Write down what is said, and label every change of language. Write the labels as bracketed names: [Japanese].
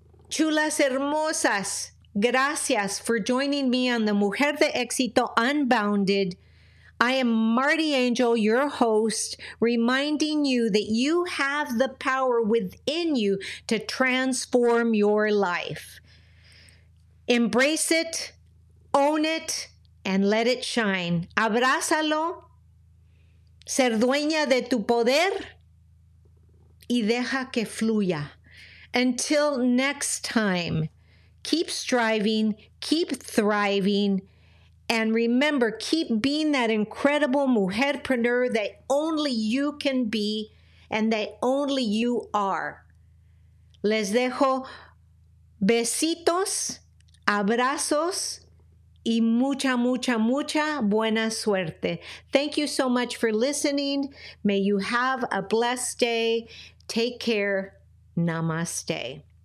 [Spanish] Chulas hermosas, gracias [English] for joining me on the Mujer de Éxito Unbounded. I am Marty Angel, your host, reminding you that you have the power within you to transform your life. Embrace it, own it, and let it shine. [Spanish] Abrázalo, ser dueña de tu poder, y deja que fluya. [English] Until next time, keep striving, keep thriving. And remember, keep being that incredible mujerpreneur that only you can be and that only you are. [Spanish] Les dejo besitos, abrazos, y mucha, mucha, mucha buena suerte. [English] Thank you so much for listening. May you have a blessed day. Take care. Namaste.